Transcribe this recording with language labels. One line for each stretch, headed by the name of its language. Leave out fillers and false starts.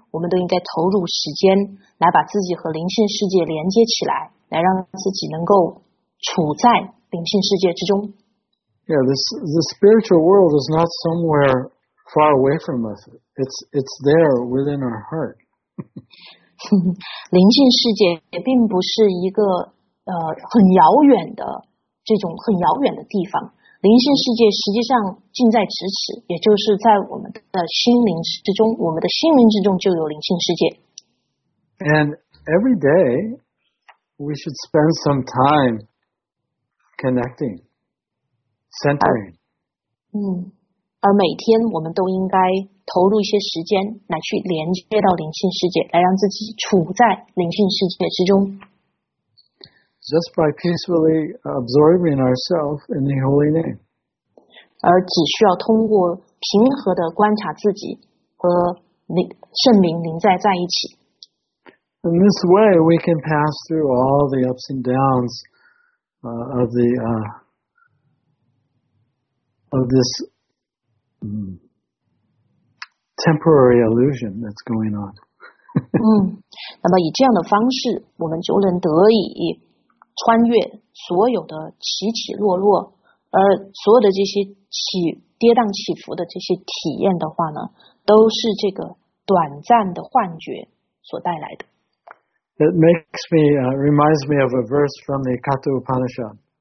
Chinese: 我们都应该投入时间来把自己和灵性世界连接起来，来让自己能够处在灵性世界之中。
English: Yeah, the spiritual world is not somewhere far away from us. It's there within our heart.
Chinese: 灵性世界并不是一个很遥远的这种很遥远的地方。灵性世界实际上近在咫尺，也就是在我们的心灵之中，我们的心灵之中就有灵性世界。
English: And every day, we should spend some time connecting, centering.
Chinese: 而每天我们都应该投入一些时间来去连接到灵性世界，来让自己处在灵性世界之中。
English: Just by peacefully absorbing ourselves in the holy name.
Chinese: 而只需要通过平和的观察自己和圣灵临在一起。
English: In this way, we can pass through all the ups and downs of this temporary illusion that's going on.
Chinese: 那么以这样的方式，我们就能得以穿越所有的起起落落，而所有的这些跌宕起伏的这些体验的话呢，都是这个短暂的幻觉所带来的。
English: It makes me, reminds me of a verse from the Katha Upanishad.